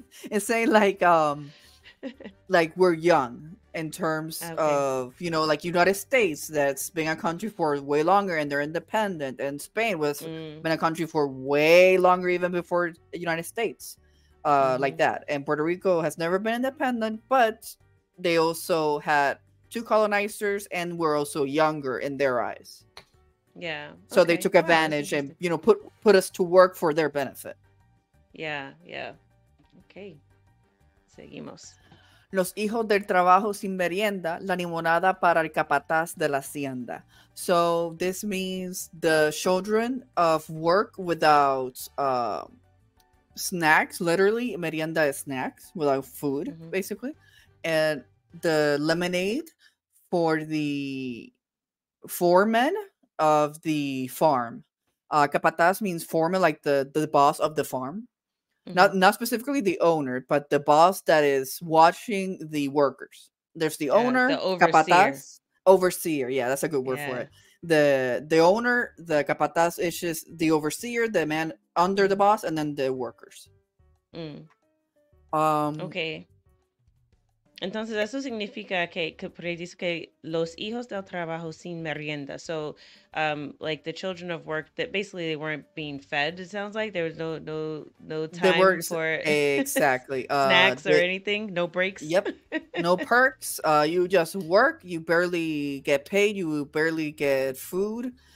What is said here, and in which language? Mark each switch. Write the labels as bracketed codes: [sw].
[en] It's saying like we're young in terms of, you know, like United States, that's been a country for way longer and they're independent, and Spain was been a country for way longer even before the United States. Like that. And Puerto Rico has never been independent, but they also had two colonizers and were also younger in their eyes. Yeah. So they took advantage and, you know, put us to work for their benefit. Yeah, yeah. Okay. [es] Seguimos. Los hijos del trabajo sin merienda, la limonada para el capataz de la hacienda. [en] So this means the children of work without snacks, literally, merienda is snacks, without food, basically. And the lemonade for the foreman of the farm. Capataz means foreman, like the boss of the farm. Not specifically the owner, but the boss that is watching the workers. There's the owner, the overseer. Capataz, overseer. Yeah, that's a good word for it. The owner, the capataz, is just the overseer, the man under the boss, and then the workers. Okay. [es] Entonces, eso significa que los hijos del trabajo sin merienda. [en] So, like the children of work, that basically they weren't being fed, it sounds like. There was no time for exactly snacks or anything. No breaks. Yep. No perks. You just work. You barely get paid. You barely get food.